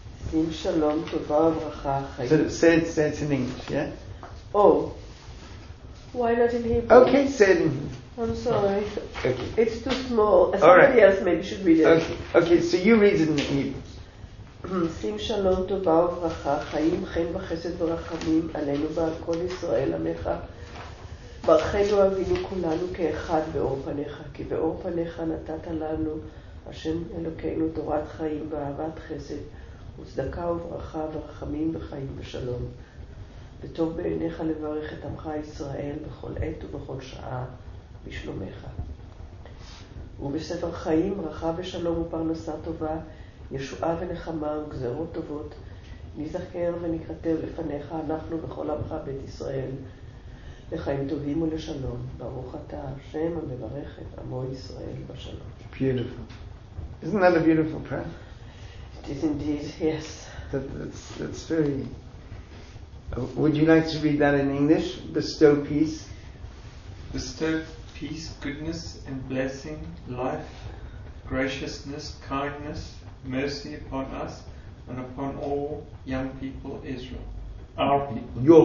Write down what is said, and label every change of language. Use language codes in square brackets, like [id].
[he] Sim shalom tova v'racha. [en] Say it in English, yeah? Oh, Why not in Hebrew? Okay, said. I'm sorry. Okay. It's too small. Somebody else maybe should read it. Okay, so you read it in Hebrew. [he] שים שלום טובה וברכה, חיים חן וחסד ורחמים עלינו ועל כל ישראל עמך. ברכנו אבינו כולנו כאחד באור פניך, כי באור פניך נתת לנו, השם אלוקינו, תורת חיים ואהבת חסד, וצדקה וברכה ורחמים וחיים ושלום. וטוב בעיניך לברך את עמך ישראל בכל עת ובכל שעה בשלומך. ובספר חיים ברכה ושלום ופרנסה טובה, ישועה ונחמה וגזרות טובות, נזכר ונקרתר לפניך, אנחנו וכל עמך בית ישראל, לחיים טובים ולשלום. ברוך אתה, השם המברך את עמו ישראל בשלום. [en] Beautiful. Isn't that a beautiful prayer? It is indeed, yes. That's very... Would you like to read that in English? Bestow peace. Bestow peace, goodness and blessing, life, graciousness, kindness, mercy upon us and upon all young people Israel, our people,